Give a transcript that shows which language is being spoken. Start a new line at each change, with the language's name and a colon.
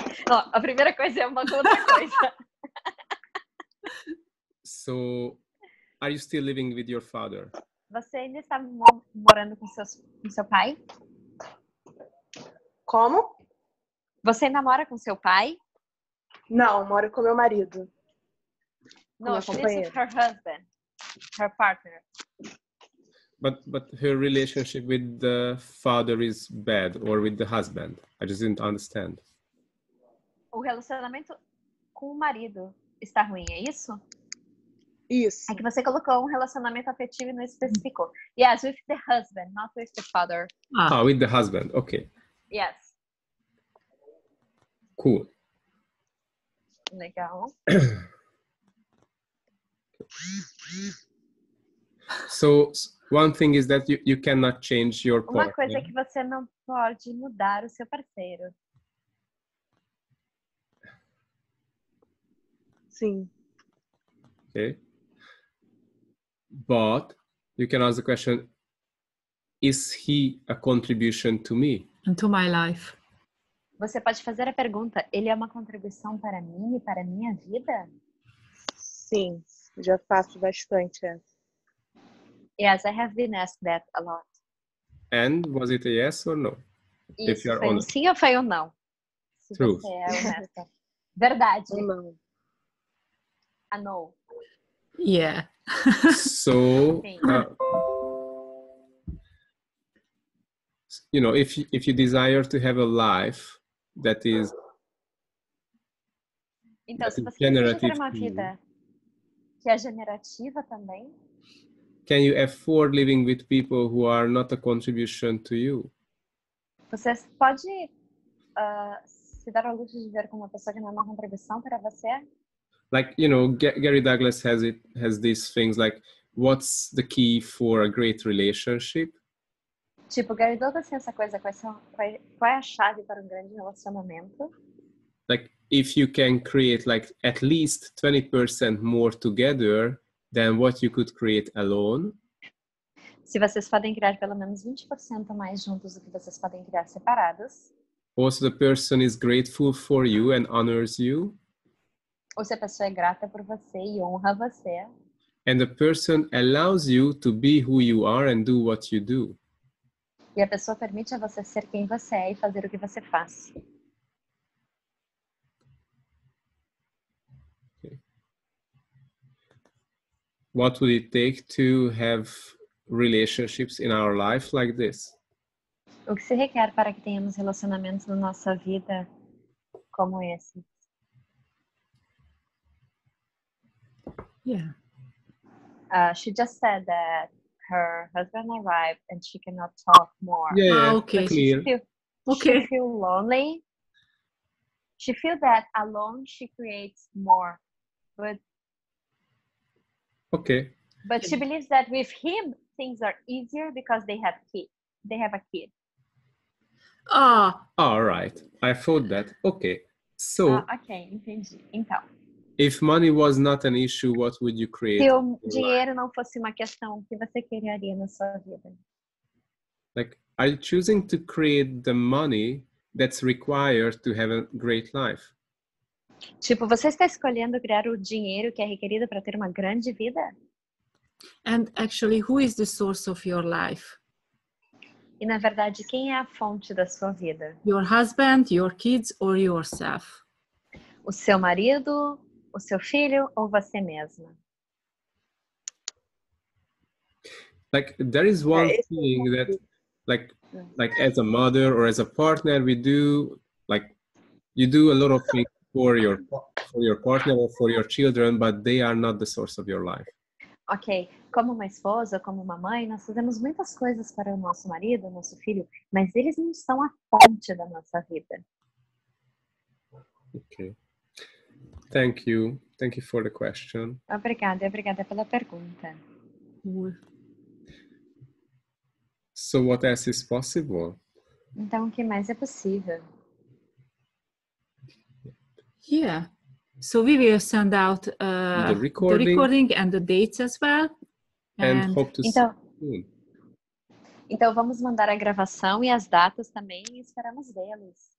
Portuguese: Oh, a primeira coisa é uma outra coisa.
English: So, are you still living with your father?
Portuguese: Você ainda está morando com seu pai? Como? Você ainda mora com seu pai? Não, moro com meu marido.
English: No, this is her husband, her partner. But her relationship with the father is bad, or with the husband? I just didn't understand.
Portuguese: O relacionamento com o marido está ruim, é isso? Isso. É que você colocou um relacionamento afetivo e não especificou.
English: Yes, with the husband, not with the father. Ah, with the husband, okay. Yes. Cool.
Portuguese: Legal.
English: So, one thing is that you cannot change your partner.
Portuguese: Uma coisa é que você não pode mudar o seu parceiro. Sim.
English: Okay. But you can ask the question, is he a contribution to me? And to my life.
Portuguese: Você pode fazer a pergunta, ele é uma contribuição para mim e para a minha vida? Sim, já faço bastante.
English: Yes, I have been asked that a lot. And was it a yes or no?
Portuguese: Isso,
English: if you are honest.
Portuguese: Sim ou foi ou não? Se truth. Você é honesta. Verdade. Não.
English: A no. Yeah. So, you know, if you desire to have a life that is generative,
Portuguese: então, se você quer ter uma vida que é generativa também,
English: can you afford living with people who are not a contribution to you?
Portuguese: Você pode se dar ao luxo de viver com uma pessoa que não é uma contribuição para você?
English: Like, you know, Gary Douglas has these things like, what's the key for a great relationship?
Portuguese: Tipo, Gary Douglas tem essa coisa, qual é a chave para grande relacionamento?
English: Like, if you can create like at least 20% more together than what you could create alone.
Portuguese: Se vocês podem criar pelo menos 20% mais juntos do que vocês podem criar separados.
English: Also, the person is grateful for you and honors you.
Portuguese: Ou se a pessoa é grata por você e honra você.
English: And the person allows you to be who you are and do what you do.
Portuguese: E a pessoa permite a você ser quem você é e fazer o que você faz.
English: Okay. What would it take to have relationships in our life like this?
Portuguese: O que se requer para que tenhamos relacionamentos na nossa vida como esse?
English: Yeah. She just said that her husband arrived and she cannot talk more. Yeah, yeah. Okay. She feels lonely. She feels that alone she creates more. But okay. But she believes that with him things are easier because they have a kid. All right. I thought that. Okay. So
Portuguese: okay, entendi. Então.
English: If money was not an issue, what would you create?
Portuguese: Se o dinheiro não fosse uma questão, o que você criaria na sua vida?
English: Like, are you choosing to create the money that's required to have a great life?
Portuguese: Tipo, você está escolhendo criar o dinheiro que é requerido para ter uma grande vida?
English: And actually, who is the source of your life?
Portuguese: E na verdade, quem é a fonte da sua vida?
English: Your husband, your kids, or yourself?
Portuguese: O seu marido, o seu filho ou você mesma?
English: Like, there is one thing that, like as a mother or as a partner, we do, like, you do a lot of things for your partner or for your children, but they are not the source of your life.
Portuguese: Ok, como uma esposa, como uma mãe, nós fazemos muitas coisas para o nosso marido, o nosso filho, mas eles não são a fonte da nossa vida.
English: Okay. Thank you. Thank you for the question.
Portuguese: Obrigada, obrigada pela pergunta.
English: So what else is possible?
Portuguese: Então, o que mais é possível?
English: Yeah. So we will send out the recording and the dates as well. And hope to see you soon.
Portuguese: Então, vamos mandar a gravação e as datas também e esperamos vê-los.